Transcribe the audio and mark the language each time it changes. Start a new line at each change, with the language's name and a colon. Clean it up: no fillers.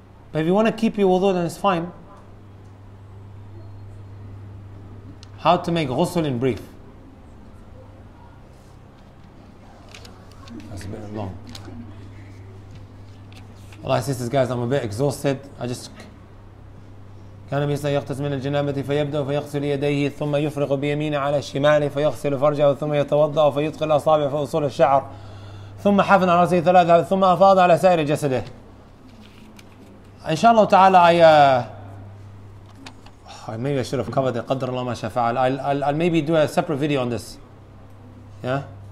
English: But if you want to keep your wudu, then it's fine. How to make ghusl in brief? That's a bit long. Allah, sisters, guys, I'm a bit exhausted.
Arabic: كان بيسا يغتسل من الجنابة فيبدأ فيغسل يديه ثم يفرغ بيمينه على شماله فيغسل فرجه ثم يتوضأ فيدخل أصابع في أصول الشعر ثم حفن على رأسه ثلاثة ثم أفاض على سائر جسده.
English: إن شاء الله تعالى maybe I should have covered it.
Arabic: قدر الله ما شاء فعل.
English: I'll maybe do a separate video on this. Yeah.